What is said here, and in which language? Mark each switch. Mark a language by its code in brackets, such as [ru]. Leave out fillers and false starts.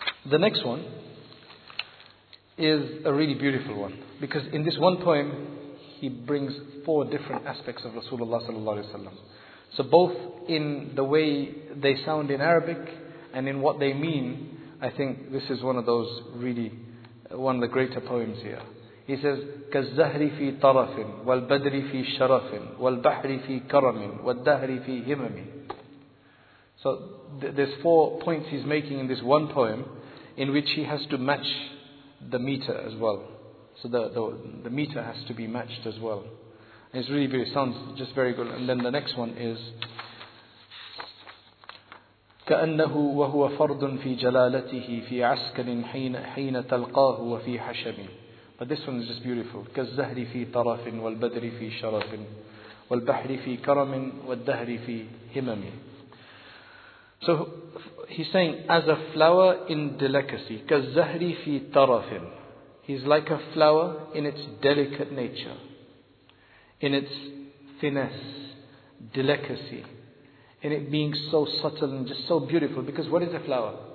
[en] The next one is a really beautiful one, because in this one poem he brings four different aspects of Rasulullah sallallahu alaihi wasallam. So both in the way they sound in Arabic and in what they mean, I think this is one of those really one of the greater poems here. He says, [ar] كَالزَّهْرِ فِي طَرَفٍ وَالْبَدْرِ فِي شَرَفٍ وَالْبَحْرِ فِي كَرَمٍ وَالدَّهْرِ فِي هِمَمٍ. [en] So there's four points he's making in this one poem, in which he has to match the meter as well. So the meter has to be matched as well. And it's really beautiful. It sounds just very good. And then the next one is, [ar] كَأَنَّهُ وَهُوَ فَرْضٌ فِي جَلَالَتِهِ فِي عَسْكَرٍ حِينَ تَلْقَاهُ وَفِي حَشَمٍ. [en] But this one is just beautiful. [ar] كَالزَّهْرِ فِي طَرَفٍ وَالْبَدْرِ فِي شَرَفٍ وَالْبَحْرِ فِي كَرَمٍ وَالدَّهْرِ فِي هِمَمٍ. [en] So he's saying, as a flower in delicacy, [ar] كَالزَّهْرِ فِي طَرَفٍ. [en] He's like a flower in its delicate nature, in its finesse, delicacy, in it being so subtle and just so beautiful. Because what is a flower?